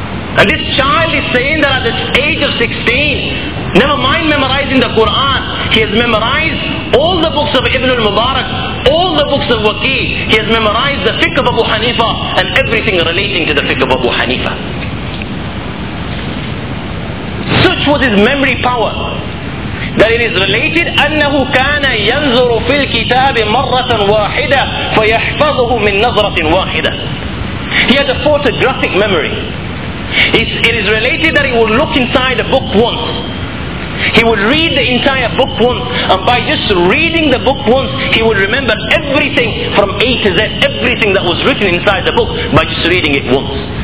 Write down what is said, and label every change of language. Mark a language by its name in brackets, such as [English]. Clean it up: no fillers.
[English] And this child is saying that at the age of 16, never mind memorizing the Quran, he has memorized all the books of Ibn al-Mubarak, all the books of Waqi, he has memorized the fiqh of Abu Hanifa and everything relating to the fiqh of Abu Hanifa. [Arabic] Such was his memory power that it is related, أنه كان ينظر في الكتاب مرة واحدة فيحفظه من نظرة واحدة. [English] He had a photographic memory. It is related that he would look inside a book once. He would read the entire book once, and by just reading the book once, he would remember everything from A to Z, everything that was written inside the book by just reading it once.